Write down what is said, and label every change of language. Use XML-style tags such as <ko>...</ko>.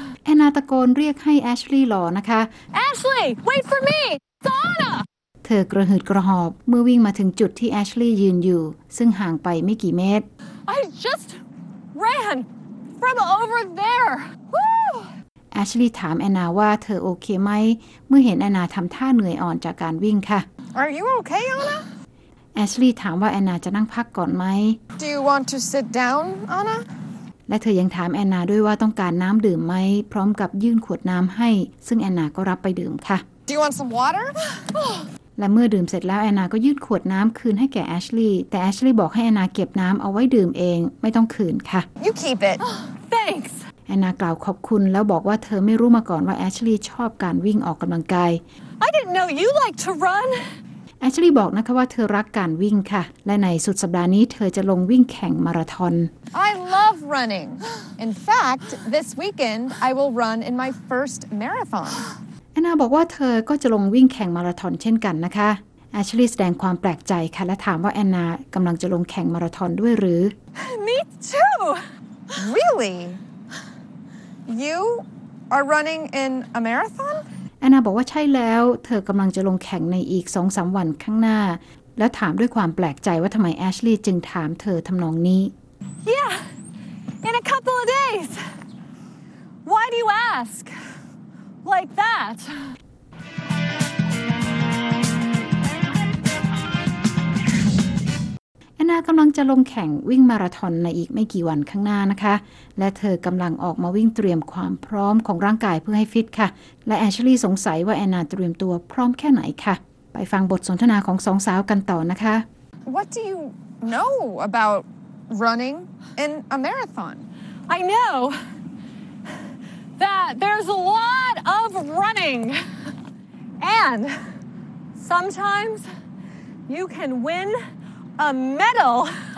<th>แอนนาตะโกนเรียกให้แอชลีย์รอนะคะ</th> <en>Ashley, wait for me, Donna.</en> <th>เธอกระหืดกระหอบเมื่อวิ่งมาถึงจุดที่แอชลีย์ยืนอยู่ซึ่งห่างไปไม่กี่เมตร</th> <en>I just ran from over there. Woo!</en> <th>แอชลีย์ถามแอนนาว่าเธอโอเคไหมเมื่อเห็นแอนนาทำท่าเหนื่อยอ่อนจากการวิ่งค่ะ</th> <en>Are you okay, Anna?</en> <th>แอชลีย์ถามว่าแอนนาจะนั่งพักก่อนไหม</th> <en>Do you want to sit down, Anna?</en> <th>และเธอยังถามแอนนาด้วยว่าต้องการน้ำดื่มไหมพร้อมกับยื่นขวดน้ำให้ซึ่งแอนนาก็รับไปดื่มค่ะ</th> <en>Do you want some water?</en> <th>และเมื่อดื่มเสร็จแล้วแอนนาก็ยื่นขวดน้ำคืนให้แก่แอชลีย์แต่แอชลีย์บอกให้แอนนาเก็บน้ำเอาไว้ดื่มเองไม่ต้องคืนค่ะ</th> <en>You keep it. Thanks.</en> <th>แอนนากล่าวขอบคุณแล้วบอกว่าเธอไม่รู้มาก่อนว่าแอชลีย์ชอบการวิ่งออกกำลังกาย</th> <en>I didn't know you like to run.</en> <th>แอชลีย์บอกนะคะว่าเธอรักการวิ่งค่ะและในสุดสัปดาห์นี้เธอจะลงวิ่งแข่งมาราธอน</th> <en>I love running. In fact, this weekend I will run in my first marathon.</en> <th>แอนนาบอกว่าเธอก็จะลงวิ่งแข่งมาราธอนเช่นกันนะคะแอชลีย์แสดงความแปลกใจค่ะและถามว่าแอนนากำลังจะลงแข่งมาราธอนด้วยหรือ</th> <en>Me too. Really? You are running in a marathon?</en> <th>แอนนาบอกว่าใช่แล้วเธอกำลังจะลงแข่งในอีก 2-3 วันข้างหน้าแล้วถามด้วยความแปลกใจว่าทำไมแอชลีย์จึงถามเธอทำนองนี้</th> <en>Yeah, in a couple of days. Why do you ask like that?</en> <th>แอนนากำ ำลังจะลงแข่งวิ่งมาราธอนในอีกไม่กี่วันข้างหน้านะคะและเธอกำลังออกมาวิ่งเตรียมความพร้อมของร่างกายเพื่อให้ฟิตค่ะและแอชลีย์สงสัยว่าแอนนาเตรียมตัวพร้อมแค่ไหนค่ะไปฟังบทสนทนาของสองสาวกันต่อนะคะ</th> <en>What do you know about running in a marathon? I know that there's a lot of running and sometimes you can winA medal.</en>